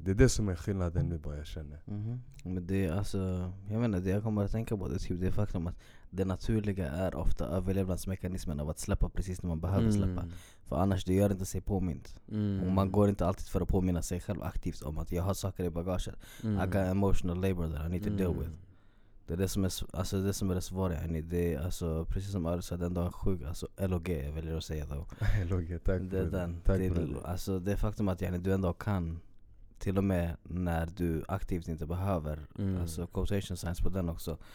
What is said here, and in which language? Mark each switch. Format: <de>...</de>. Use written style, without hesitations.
<sv>Det är det som är skillnaden nu, bara jag känner. Men det är alltså, jag menar, det jag kommer att tänka på, det är typ det faktum att det naturliga är ofta överlevnadsmekanismen av att släppa precis när man behöver släppa. För annars, det gör inte sig påmint. Och man går inte alltid för att påminna sig själv aktivt om att jag har saker i bagaget.</sv> <en>I got emotional labor that I need to deal with.</en> <sv>Det är det som är, alltså, det som är det svåra, yani. Det är alltså, precis som Arus sa, den dagen sjuk, alltså LOG, jag väljer att säga då. LOG, tack. Det är den. Tack, det är det. Alltså, det faktum att, yani, du ändå kan, till och med när du aktivt inte behöver, alltså quotation signs på den också.</sv>